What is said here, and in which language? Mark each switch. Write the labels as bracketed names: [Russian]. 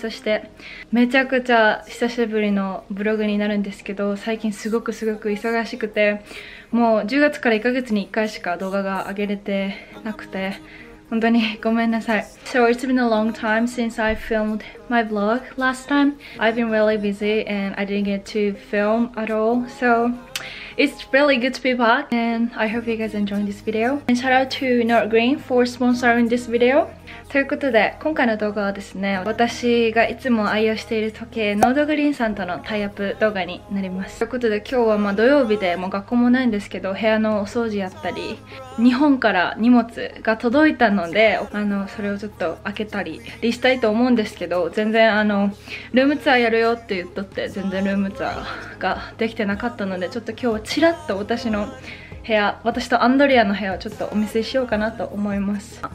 [Japanese] そしてめちゃくちゃ久しぶりのブログになるんですけど、最近すごくすごく忙しくて、もう10月から1ヶ月に1回しか動画が上げれてなくて、本当にごめんなさい。 [English] So it's been a long time since I filmed my vlog last time. I've been really busy and I didn't get to film at all. So it's really good to be back and I hope you guys enjoy this video. And shout out to Not Green for sponsoring this video. [Japanese] ということで、今回の動画はですね、私がいつも愛用している時計ノードグリーンさんとのタイアップ動画になります。ということで、今日はまあ土曜日でもう学校もないんですけど、部屋のお掃除やったり、日本から荷物が届いたので、それをちょっと開けたりしたいと思うんですけど、全然ルームツアーやるよって言っとって、全然ルームツアーができてなかったので、ちょっと今日はチラッと私の部屋、私とアンドリアの部屋をちょっとお見せしようかなと思います。